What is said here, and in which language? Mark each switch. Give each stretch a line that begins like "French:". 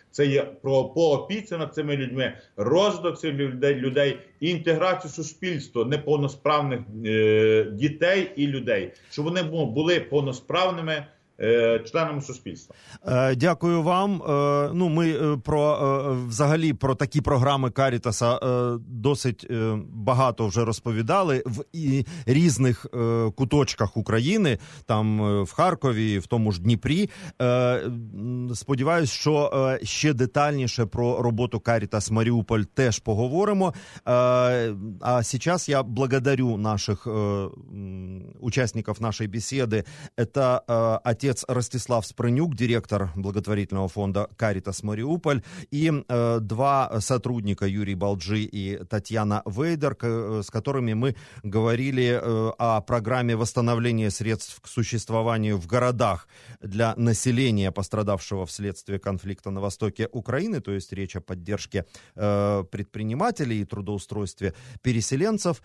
Ukrainian: Це є про опіці над цими людьми, розвиток цих людей, інтеграцію суспільства неповносправних дітей і людей, щоб вони були повносправними членами суспільства. Дякую вам. Ну, ми про взагалі про такі програми Caritas'а досить багато вже розповідали в різних куточках України, там в Харкові, в тому ж Дніпрі. Сподіваюсь, що ще детальніше про роботу Caritas Маріуполь теж поговоримо. А зараз я
Russian: благодарю
Ukrainian: наших учасників нашої бесіди.
Russian: Це отець Ростислав Спринюк, директор благотворительного фонда «Caritas Мариуполь», и два сотрудника, Юрий Балджи и Татьяна Вейдер, с которыми мы говорили о программе восстановления средств к существованию в городах для населения, пострадавшего вследствие конфликта на востоке Украины, то есть речь о поддержке предпринимателей и трудоустройстве переселенцев.